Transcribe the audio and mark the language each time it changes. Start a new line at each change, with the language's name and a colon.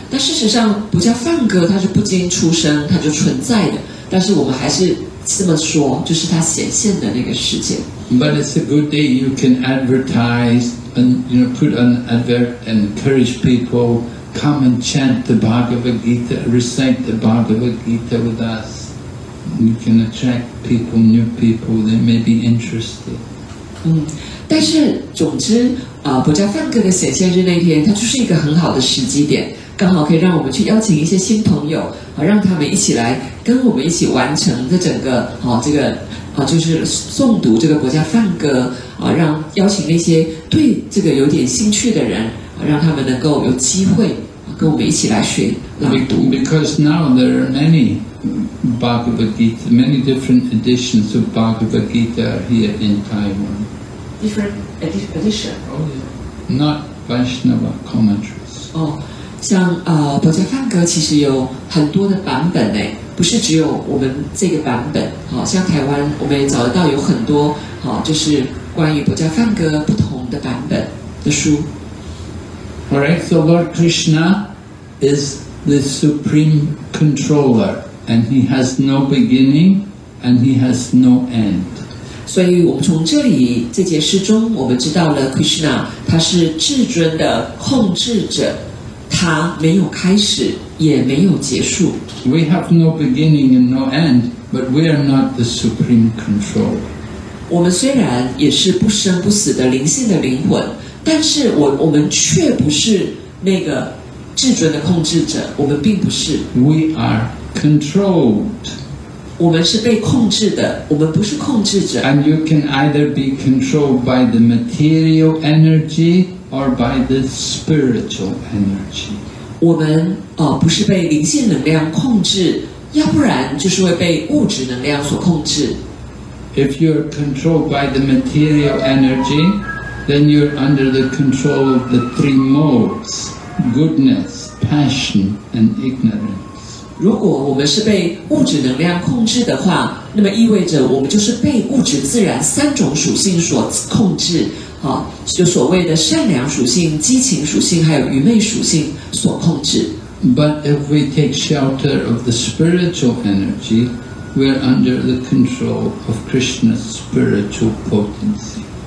Chinese: 但事实上，不叫梵歌，它是不经出生，它就存在的。但是我们还是这么说，就是它显现的那个世界。
English: But it's a good day you can advertise and you know, put an advert and encourage people come and chant the Bhagavad Gita, recite the Bhagavad Gita with us. You can attract people, new people, they may be interested.
Chinese: 但是总之博伽梵歌的显现日那天它就是一个很好的时机点，刚好可以让我们去邀请一些新朋友让他们一起来跟我们一起完成这整个这个就是诵读这个博伽梵歌让邀请那些对这个有点兴趣的人让他们能够有机会跟我们一起来学朗读。
English: Because now there are many Bhagavad Gita, many different editions of Bhagavad Gita here in Taiwan. Different edition? Not Vaishnava commentaries.
Chinese: 像博家梵歌其实有很多的版本呢，不是只有我们这个版本。好，像台湾我们也找得到有很多好，就是关于博家梵歌不同的版本的书。
English: All right, so Lord Krishna is the supreme controller, and he has no beginning, and he has no end.
Chinese: 所以我们从这里这节诗中，我们知道了 Krishna 他是至尊的控制者，他没有开始，也没有结束。
English: We have no beginning and no end, but we are not the supreme controller.
Chinese: 我们虽然也是不生不死的灵性的灵魂。但是我们却不是那个至尊的控制者，我们并不是。
English: We are controlled.
Chinese: 我们是被控制的，我们不是控制者。
English: And you can either be controlled by the material energy or by the spiritual energy.
Chinese: 我们不是被灵性能量控制，要不然就是会被物质能量所控制。
English: If you're controlled by the material energy,then you're under the control of the three modes, goodness, passion, and ignorance.
Chinese: 如果我们是被物质能量控制的话，那么意味着我们就是被物质自然三种属性所控制，就所谓的善良属性、激情属性还有愚昧属性所控制。
English: But if we take shelter of the spiritual energy, we're under the control of Krishna's spiritual potency.